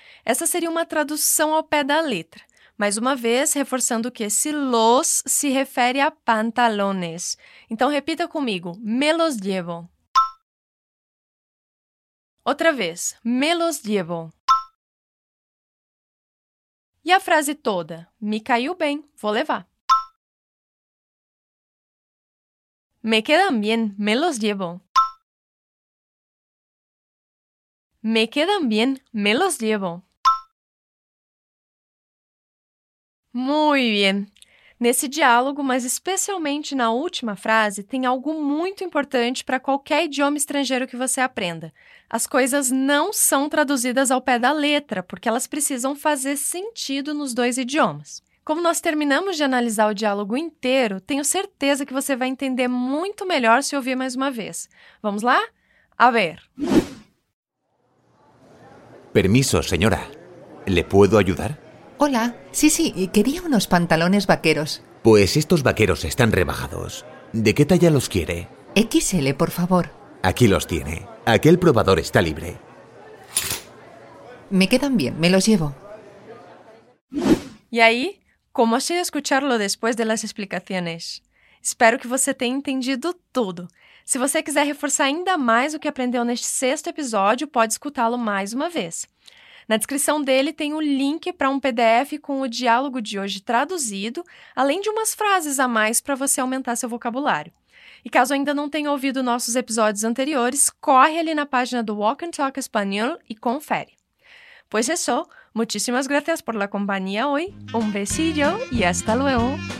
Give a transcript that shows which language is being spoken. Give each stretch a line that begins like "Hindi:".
Portuguese: Essa seria uma tradução ao pé da letra. Mais uma vez, reforçando que esse los se refere a pantalones. Então, repita comigo,
Spanish: me los llevo.
Portuguese: Outra vez,
Spanish: me los llevo.
Portuguese: E a frase toda, me caiu bem, vou levar.
Spanish: Me quedan bien, me los llevo. Me quedan bien, me los llevo. Muy bien.
Portuguese: Nesse diálogo, mas especialmente na última frase, tem algo muito importante para qualquer idioma estrangeiro que você aprenda. As coisas não são traduzidas ao pé da letra, porque elas precisam fazer sentido nos dois idiomas. Como nós terminamos de analisar o diálogo inteiro, tenho certeza que você vai entender muito melhor se ouvir mais uma vez. Vamos lá?
Spanish: A ver. Permiso, senhora. ¿Le puedo ayudar? Hola. Sí, sí, quería unos pantalones vaqueros. Pues estos vaqueros están rebajados. ¿De qué talla los quiere? XL, por favor. Aquí los tiene. Aquel probador está libre. Me quedan bien, me los llevo. ¿Y ahí? ¿Cómo ha sido escucharlo después de las explicaciones?
Portuguese: Espero que você tenha entendido tudo. Se você quiser reforçar ainda mais o que aprendeu neste sexto episódio, pode escutá-lo mais uma vez. Na descrição dele tem o link para um PDF com o diálogo de hoje traduzido, além de umas frases a mais para você aumentar seu vocabulário. E caso ainda não tenha ouvido nossos episódios anteriores, corre ali na página do Walk and Talk Espanhol e confere. Pois é só.
Spanish: Muchísimas gracias por la compañía hoy. Un besillo y hasta luego.